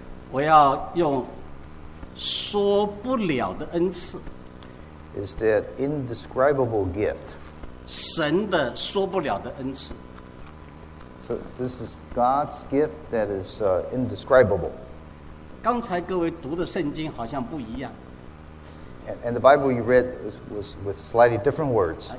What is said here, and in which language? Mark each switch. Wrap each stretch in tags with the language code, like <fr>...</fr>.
<zh>我要用说不了的恩赐</zh> <en>is that indescribable gift.</en> <zh>神的说不了的恩赐</zh> <en>So this is God's gift that is indescribable.</en> <zh>刚才各位读的圣经好像不一样。</zh> <en>And the Bible you read was with slightly different words.</en>